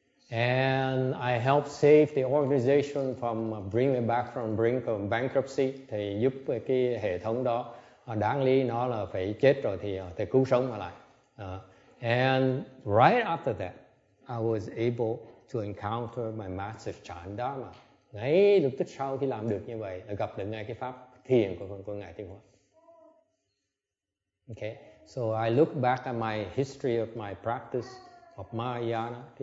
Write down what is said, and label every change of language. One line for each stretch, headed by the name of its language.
English: And I helped save the organization from bringing back from brink of bankruptcy.
Vietnamese: Thì giúp cái hệ thống đó, đáng lý nó là phải chết rồi thì thầy cứu sống nó lại.
English: And right after that, I was able to encounter my master Chan Dharma.
Vietnamese: Ngay lập tức sau khi làm được như vậy, là gặp được ngay cái pháp thiền của Ngài Tịnh Hóa.
English: Okay, so I look back at my history of my practice of Mahayana.